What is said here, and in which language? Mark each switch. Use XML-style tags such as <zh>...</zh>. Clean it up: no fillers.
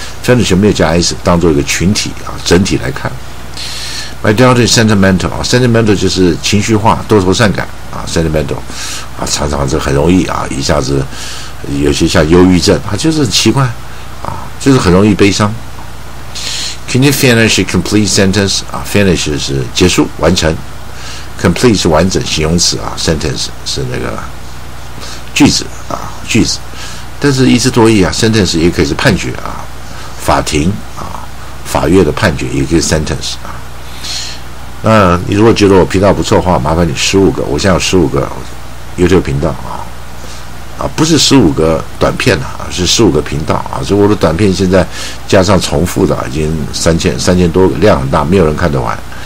<zh>Furniture 没有加 S， 当作一个群体啊，整体来看。</zh> <en>My daughter is sentimental</en> <zh>啊 ，sentimental 就是情绪化、多愁善感啊 ，sentimental 啊，常常是很容易啊，一下子有些像忧郁症啊，就是很奇怪啊，就是很容易悲伤。</zh> <en>Can you finish a complete sentence</en> <zh>啊 ？Finish 是结束、完成 ，complete 是完整形容词啊 ，sentence 是那个。句子啊，句子，但是一字多义啊 ，sentence 也可以是判决啊，法庭啊，法院的判决也可以是 sentence 啊。那你如果觉得我频道不错的话，麻烦你15个，我现在有15个 YouTube 频道啊，啊不是15个短片的啊，是15个频道啊，所以我的短片现在加上重复的、啊、已经3000多个，量很大，没有人看得完。</zh>